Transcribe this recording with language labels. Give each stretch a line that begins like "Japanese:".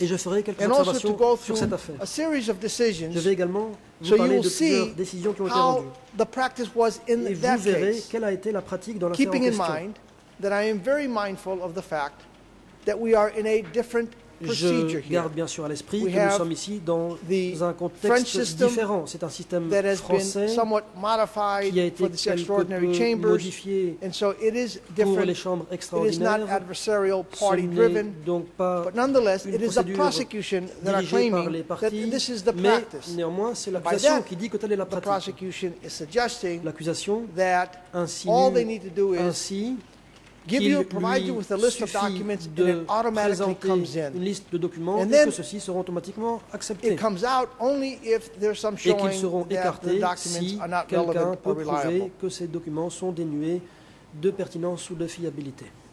French: et je ferai quelques observations sur cette affaire. Je vais également vous parler de plusieurs décisions qui ont été rendues. Et vous verrez quelle a été la pratique dans l'affaire en question.
English: Keeping in mind that I am very mindful of the fact that we are in a different
French: Je garde bien sûr à l'esprit que nous sommes ici dans un contexte différent. C'est un système français qui a été quelque peu modifié pour les chambres extraordinaires. Ce n'est donc pas une procédure dirigée par les parties, mais néanmoins, c'est l'accusation qui dit que telle est la pratique. L'accusation insinue ainsi
English: Give you, provide you with a list of documents, and it automatically comes in.
French: Une liste de documents, et que ceux-ci seront automatiquement acceptés.
English: It comes out only if there's some showing that the documents are not relevant or reliable.
French: Et qu'ils seront écartés si quelqu'un peut prouver que ces documents sont dénués de pertinence ou de fiabilité.